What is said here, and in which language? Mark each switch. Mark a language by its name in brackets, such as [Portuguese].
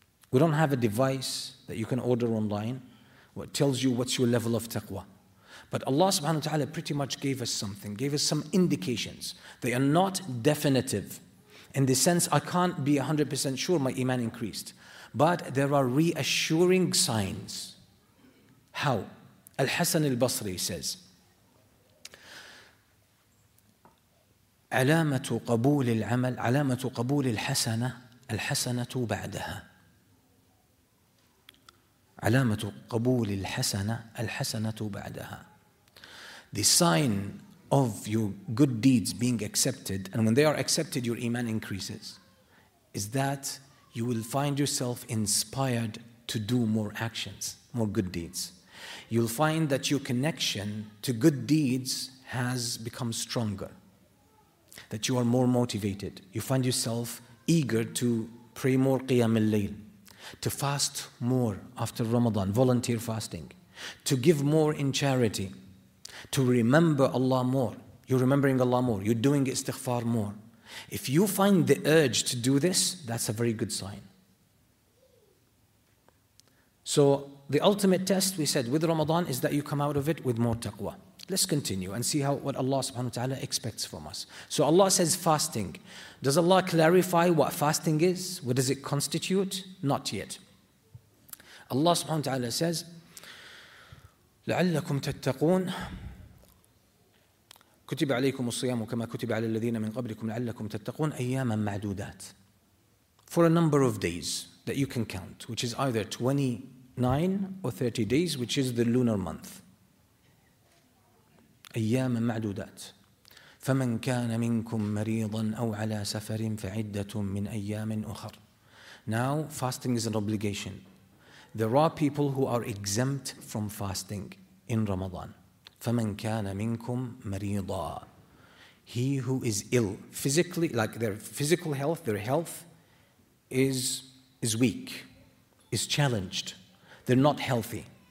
[English] We don't have a device that you can order online what tells you what's your level of taqwa. But Allah subhanahu wa ta'ala pretty much gave us something, gave us some indications. They are not definitive. In the sense, I can't be 100% sure my iman increased. But there are reassuring signs. How? [Arabic] Al-Hasan al-Basri says, علامه قبول العمل علامه قبول الحسنه الحسنه بعدها علامه قبول الحسنه الحسنه بعدها. [English] The sign of your good deeds being accepted, and when they are accepted your iman increases, is that you will find yourself inspired to do more actions, more good deeds. You'll find that your connection to good deeds has become stronger, that you are more motivated. You find yourself eager to pray more Qiyam al-Layl, to fast more after Ramadan, volunteer fasting, to give more in charity, to remember Allah more. You're remembering Allah more. You're doing istighfar more. If you find the urge to do this, that's a very good sign. So the ultimate test, we said, with Ramadan is that you come out of it with more taqwa. Let's continue and see how what Allah subhanahu wa ta'ala expects from us. So Allah says fasting. Does Allah clarify what fasting is? What does it constitute? Not yet. [Arabic] Allah subhanahu wa ta'ala says, لَعَلَّكُمْ تَتَّقُونَ كُتِبَ عَلَيْكُمُ الصِّيَامُ كَمَا كُتِبَ عَلَى الَّذِينَ مِنْ قَبْلِكُمْ لَعَلَّكُمْ تَتَّقُونَ أَيَّامًا مَعْدُودَاتٍ. [English] For a number of days that you can count, which is either 29 or 30 days, which is the lunar month. [Arabic] أيام معدودات فمن كان منكم مريضا أو على سفر فعدة من أيام أخر. [English] Now fasting is an obligation. There are people who are exempt from fasting in Ramadan. [Arabic] فمن كان منكم مريضا. [English] He who is ill physically, like their physical health, their health is weak, is challenged. They're not healthy.